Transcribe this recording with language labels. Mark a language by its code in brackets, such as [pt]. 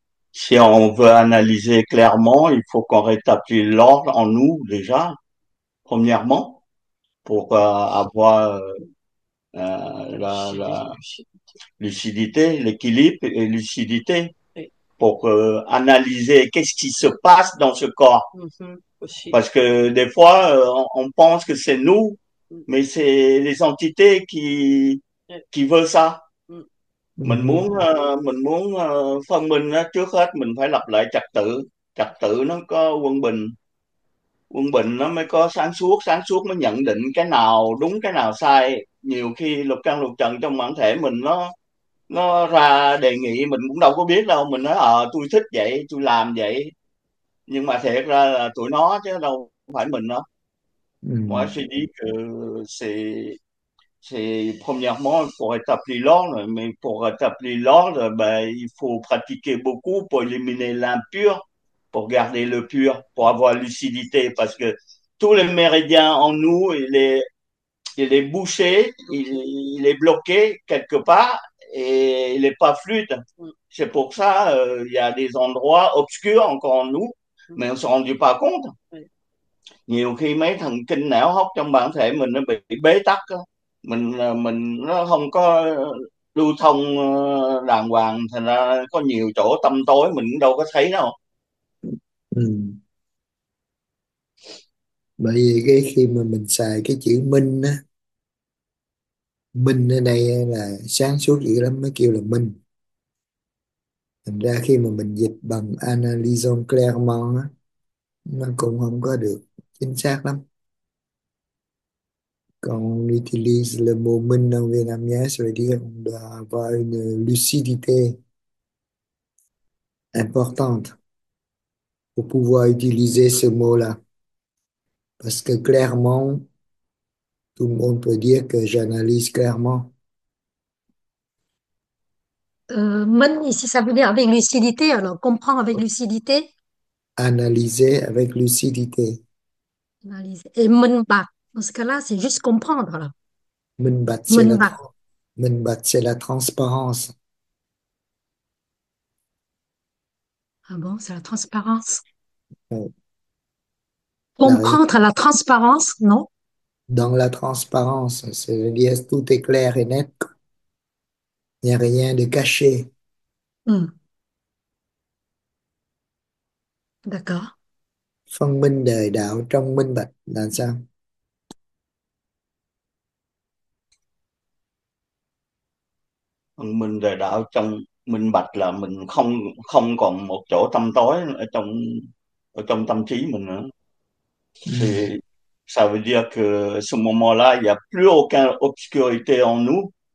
[fr] Si on veut analyser clairement, il faut qu'on rétablisse l'ordre en nous déjà, premièrement, pour avoir la lucidité, l'équilibre et lucidité, pour analyser qu'est-ce qui se passe dans ce corps. Aussi. Parce que des fois, on pense que c'est nous, mais c'est les entités qui veulent ça. [vi] Mình muốn phân minh trước hết mình phải lập lại trật tự nó có quân bình nó mới có sáng suốt mới nhận định cái nào đúng cái nào sai. Nhiều khi lục căn lục trần trong bản thể mình nó ra đề nghị mình cũng đâu có biết đâu, mình nói tôi thích vậy tôi làm vậy, nhưng mà thiệt ra là tụi nó chứ đâu phải mình đó. [fr] Moi je dis que c'est premièrement pour établir l'ordre, mais pour établir l'ordre, ben, il faut pratiquer beaucoup pour éliminer l'impur, pour garder le pur, pour avoir lucidité, parce que tous les méridiens en nous, il est bouché, il est bloqué quelque part et il n'est pas fluide. C'est pour ça, il y a des endroits obscurs encore en nous, mais on ne s'en rend pas compte. [vi] Nhiều khi mấy thần kinh não hóc trong bản thể mình nó bị bế tắc đó. Mình nó không có lưu thông đàng hoàng, thành ra có nhiều chỗ tăm tối mình đâu có thấy đâu. Bởi vì cái khi mà mình xài cái chữ minh á, minh ở đây là sáng suốt dữ lắm mới kêu là minh. Thành ra khi mà mình dịch bằng [fr] analyson clairement [vi] á, nó cũng không có được chính xác lắm. [fr] Còn utilise le mot minh dans le vietnamien, ça veut dire d'avoir une lucidité importante pour pouvoir utiliser ce mot-là. Parce que clairement, tout le monde peut dire que j'analyse clairement. Men, ici, ça veut dire avec lucidité, alors comprendre avec lucidité. Analyser avec lucidité. Analyser. Et men bat, dans ce cas-là, c'est juste comprendre, là. Men bat. Minbat, c'est la transparence. Ah bon, c'est la transparence. Oui. Comprendre la transparence, non? Dans la transparence, c'est-à-dire tout est clair et net, il n'y a rien de caché. D'accord. [vi] Phân minh đời đạo trong minh bạch là sao? Phân minh đời đạo trong minh bạch là mình không không còn một chỗ tăm tối ở trong tâm trí mình nữa. [fr] C'est, ça veut dire que ce moment-là, il n'y a plus aucune obscurité en nous.